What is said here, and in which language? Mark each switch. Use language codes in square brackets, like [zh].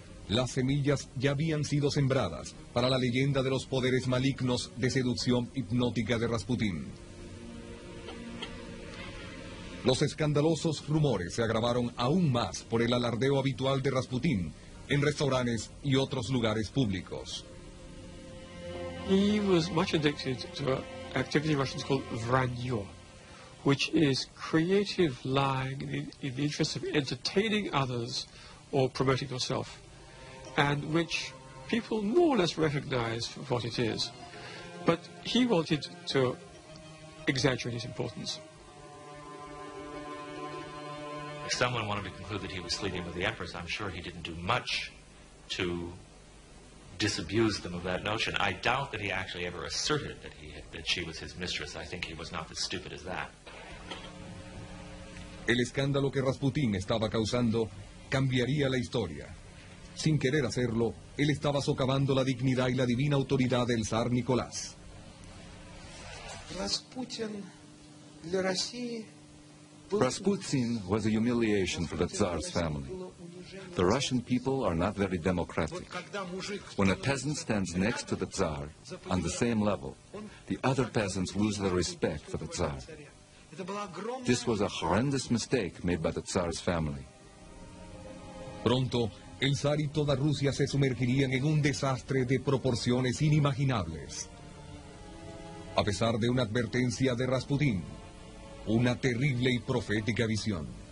[es] Las semillas ya habían sido sembradas para la leyenda de los poderes malignos de seducción hipnótica de Rasputín. Los escandalosos rumores se agravaron aún más por el alardeo habitual de Rasputín en restaurantes y otros lugares públicos. [en] He was much addicted to an activity Russians call vranyo, which is creative lying in the interest of entertaining others or promoting yourself, and which people more or less recognize for what it is. But he wanted to exaggerate its importance. If someone wanted to conclude that he was sleeping with the Empress, I'm sure he didn't do much to disabuse them of that notion. I doubt that he actually ever asserted that she was his mistress. I think he was not as stupid as that. [es] El escándalo que Rasputín estaba causando cambiaría la historia. Sin querer hacerlo, él estaba socavando la dignidad y la divina autoridad del zar Nicolás. [en] Rasputin was a humiliation for the Tsar's family. The Russian people are not very democratic. When a peasant stands next to the Tsar, on the same level, the other peasants lose their respect for the Tsar. This was a horrendous mistake made by the Tsar's family. [es] Pronto, el zar y toda Rusia se sumergirían en un desastre de proporciones inimaginables. A pesar de una advertencia de Rasputín, una terrible y profética visión.